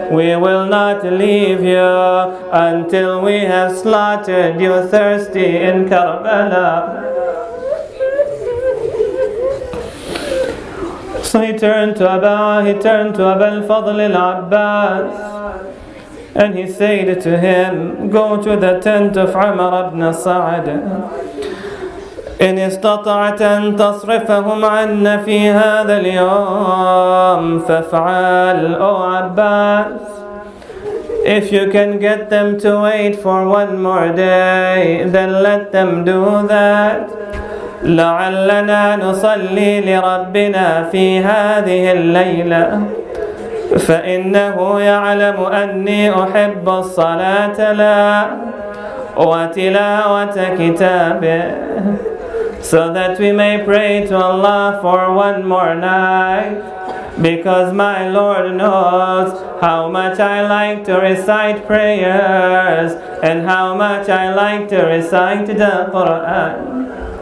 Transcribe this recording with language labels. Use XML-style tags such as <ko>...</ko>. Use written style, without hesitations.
<en>We will not leave you until we have slaughtered you thirsty in Karbala." So he turned to Aba al-Fadl al-Abbas and he said to him, "Go to the tent of Umar ibn Sa'd.</en> <ar>إن استطعت أن تصرفهم عنا في هذا اليوم فافعل."</ar> <en>O Abbas, if you can get them to wait for one more day, then let them do that.</en> <ar>لعلنا نصلي لربنا في هذه الليلة فإنه يعلم أني أحب الصلاة لا وتلاوة كتابه.</ar> <en>So that we may pray to Allah for one more night, because my Lord knows how much I like to recite prayers and how much I like to recite the Quran."</en>